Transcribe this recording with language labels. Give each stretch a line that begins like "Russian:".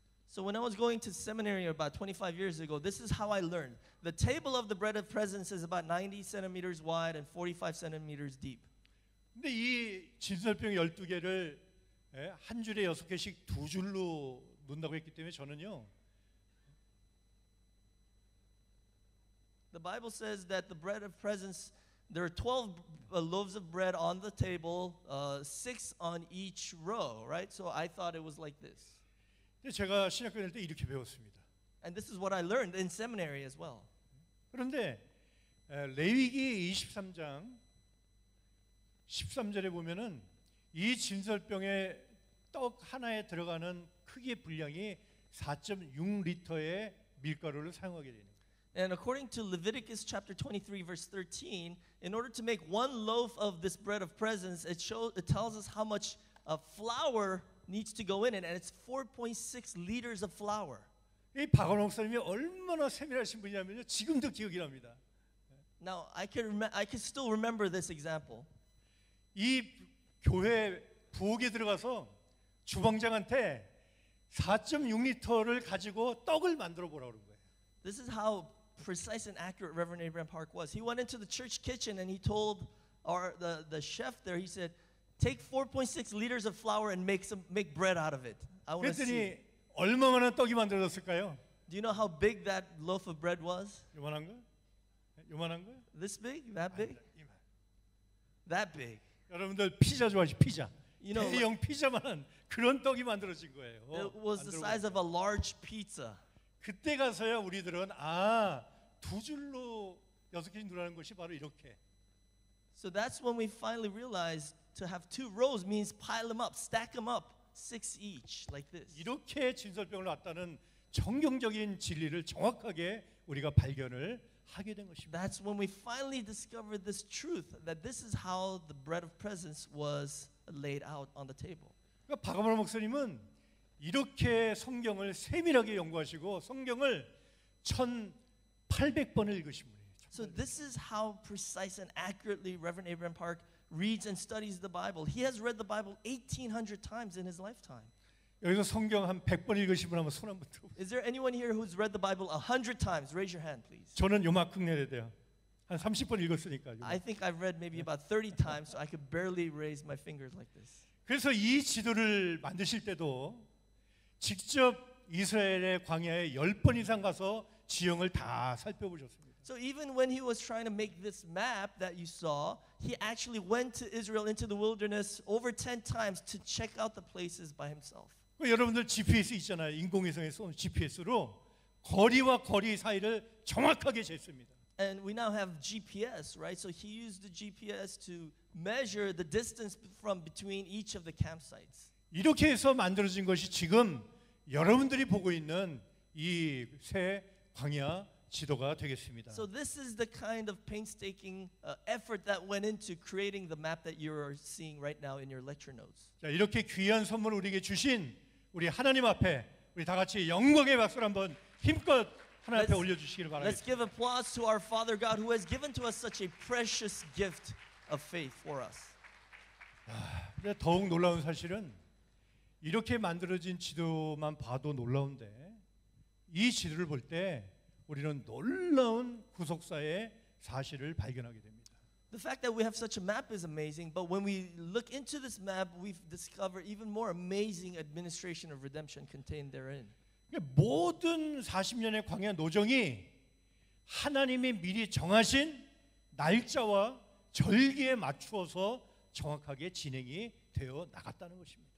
English: So when I was going to seminary about 25 years ago, this is how I learned. The table of the bread of presence is about 90 centimeters wide and 45 centimeters deep.
Korean: 근데 이 진설병 12개를 한 줄에 6개씩 두 줄로 놓는다고 했기 때문에 저는요.
English: The Bible says that the bread of presence, there are 12 loaves of bread on the table, six on each row, right? So I thought it was like this.
Korean: 근데 제가 신학교 다닐 때 이렇게 배웠습니다.
English: And this is what I learned in seminary as well.
Korean: 그런데 레위기 23장 13절에 보면은 이 진설병에 떡 하나에 들어가는 크기의 분량이 4.6리터의 밀가루를 사용하게 되는 거예요.
English: And according to Leviticus chapter 23 verse 13, in order to make one loaf of this bread of presence, it tells us how much flour needs to go in it, and it's 4.6 liters of flour.
Korean: 이 박원호 목사님이 얼마나 세밀하신 분이냐면요, 지금도 기억이 납니다.
English: Now I can still remember this example.
Korean: 이 교회 부엌에 들어가서 주방장한테 4.6리터를 가지고 떡을 만들어 보라고 그런 거예요.
English: This is how precise and accurate Reverend Abraham Park was. He went into the church kitchen and he told the chef there, he said, take 4.6 liters of flour and make bread out of it. I want to see.
Korean: 얼마나 떡이 만들어졌을까요?
English: Do you know how big that loaf of bread was?
Korean: 요만한 거?
English: This big? That big?
Korean: 이만.
English: That big.
Korean: 여러분들 피자 좋아하시죠? 피자.
English: You know,
Korean: 대형 피자만한 그런 떡이 만들어진 거예요.
English: It was the size of a large pizza.
Korean: 그때 가서야 우리들은 아, 두 줄로 여섯 개씩 누르는 것이 바로 이렇게.
English: So that's when we finally realized to have two rows means pile them up, stack them up, six each, like this.
Korean: 이렇게 진설병을 놨다는 정경적인 진리를 정확하게 우리가 발견을 하게 된 것입니다.
English: That's when we finally discovered this truth that this is how the bread of presence was laid out on the table.
Korean: 그러니까 박아브라 목사님은 이렇게 성경을 세밀하게 연구하시고 성경을 1,800번을 읽으신 분이에요. 1800번.
English: So this is how precise and accurately Reverend Abraham Park reads and studies the Bible. He has read the Bible 1,800 times in his lifetime.
Korean: 여기서 성경 한 100번 읽으신 분 한번 손 한번 들어 보세요.
English: Is there anyone here who's read the Bible 100 times? Raise your hand, please.
Korean: 저는 요만큼 내야 돼요. 한 30번 읽었으니까. 요만큼.
English: I think I've read maybe about 30 times, so I could barely raise my fingers like this.
Korean: 그래서 이 지도를 만드실 때도 직접 이스라엘의 광야에 10번 이상 가서 지형을 다 살펴보셨습니다.
English: So even when he was trying to make this map that you saw, he actually went to Israel into the wilderness over 10 times to check out the places by himself.
Korean: 여러분들 GPS 있잖아요. 인공위성에 쏜 GPS로 거리와 거리 사이를 정확하게 쟀습니다.
English: And we now have GPS, right? So he used the GPS to measure the distance from between each of the campsites.
Korean: 이렇게 해서 만들어진 것이 지금 여러분들이 보고 있는 이 새 광야 지도가 되겠습니다.
English: So this is the kind of painstaking effort that went into creating the map that you are seeing right now in your lecture notes.
Korean: 자, 이렇게 귀한 선물을 우리에게 주신 우리 하나님 앞에 우리 다 같이 영광의 박수를 한번 힘껏 하나님 앞에 올려 주시기를 바랍니다.
English: Let's give applause to our Father God who has given to us such a precious gift of faith for us.
Korean: 근데 더욱 놀라운 사실은 이렇게 만들어진 지도만 봐도 놀라운데 이 지도를 볼 때 우리는 놀라운 구속사의 사실을 발견하게 됩니다.
English: The fact that we have such a map is amazing, but when we look into this map, we discover even more amazing administration of redemption contained therein.
Korean: 모든 40년의 광야 노정이 하나님이 미리 정하신 날짜와 절기에 맞추어서 정확하게 진행이 되어 나갔다는 것입니다.